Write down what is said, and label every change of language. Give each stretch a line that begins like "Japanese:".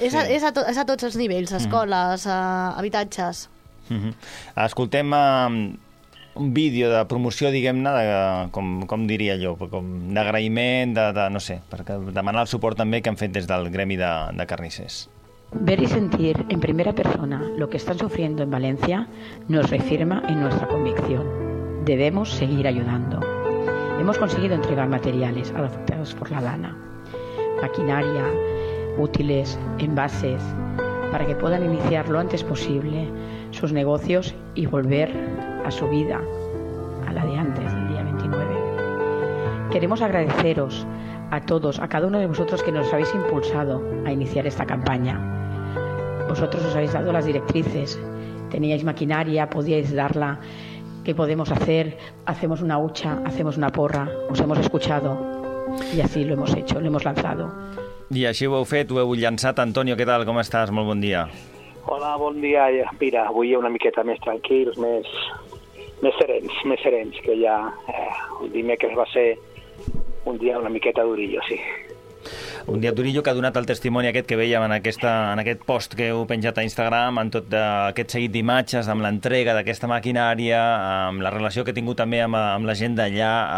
Catalan: És a tots els nivells, escoles, habitatges. Mm-hmm. Escoltem... un vídeo de promoció, diguem-ne, com diria jo, d'agraïment, no sé, per demanar el suport també que han fet des del Gremi de Carnissers.
Spanish: Ver y sentir en primera persona lo que están sufriendo en Valencia nos reafirma en nuestra convicción. Debemos seguir ayudando. Hemos conseguido entregar materiales afectados por la lana, maquinaria, útiles, envases, para que puedan iniciar lo antes posible sus negocios y volver a su vida, a la de antes, el día 29. Queremos agradeceros a todos, a cada uno de vosotros que nos habéis impulsado a iniciar esta campaña. Vosotros os habéis dado las directrices, teníais maquinaria, podíais darla, ¿qué podemos hacer? Hacemos una hucha, hacemos una porra, os hemos escuchado y así lo hemos hecho, lo hemos lanzado.
Catalan: I així ho heu fet, ho heu llançat. Antonio, què tal, com estàs? Molt bon dia. Hola, bon dia. Mira, avui una miqueta més tranquils, més serens, que ja dimecres va ser un dia una miqueta durillo, sí. Un dia durillo que ha donat el testimoni aquest que vèiem en aquest post que heu penjat a Instagram, amb tot aquest seguit d'imatges, amb l'entrega d'aquesta maquinària, amb la relació que he tingut també amb la gent d'allà.